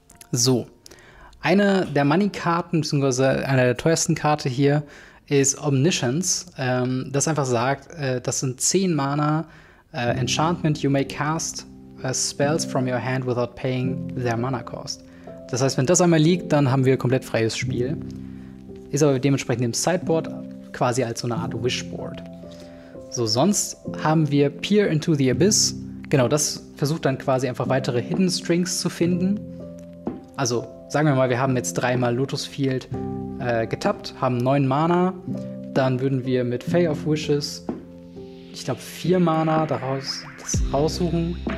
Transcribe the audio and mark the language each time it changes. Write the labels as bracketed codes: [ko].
[de] So, eine der Money-Karten, beziehungsweise eine der teuersten Karte hier, ist Omniscience. Das einfach sagt, das sind 10 Mana. [en] Enchantment, you may cast spells from your hand without paying their mana cost. [de] Das heißt, wenn das einmal liegt, dann haben wir komplett freies Spiel. Ist aber dementsprechend im Sideboard quasi als so eine Art Wishboard. So, sonst haben wir Peer into the Abyss. Genau, das versucht dann quasi einfach weitere Hidden Strings zu finden. Also, sagen wir mal, wir haben jetzt dreimal Lotus Field getappt, haben 9 Mana, dann würden wir mit Fae of Wishes, ich glaube, 4 Mana daraus das raussuchen.